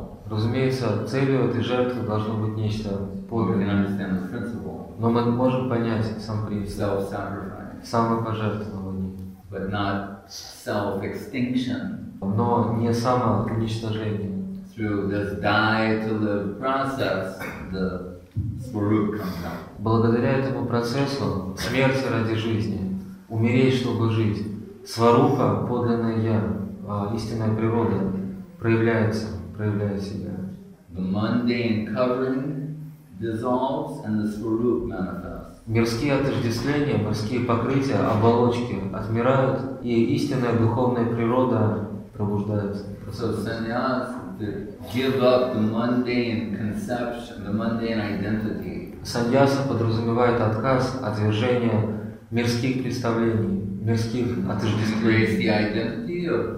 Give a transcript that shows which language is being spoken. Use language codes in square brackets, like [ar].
[ru] Разумеется, целью этой жертвы должно быть нечто подлинное. Но мы можем понять сам принцип самопожертвование. Но не самоуничтожение. [en] Through this die to live process, the Swarup comes out. [ru] Благодаря этому процессу смерти ради жизни, умереть, чтобы жить, Сварупа, подлинное я, истинная природа, проявляет себя. [en] The mundane covering dissolves and the Swarup manifests. [ru] Мирские отождествления, мирские покрытия, оболочки отмирают, и истинная духовная природа пробуждается. [en] So sannyas, to give up the mundane conception, the mundane identity. [ru] Саньяса подразумевает отказ от движения мирских представлений, мирских отождествлений.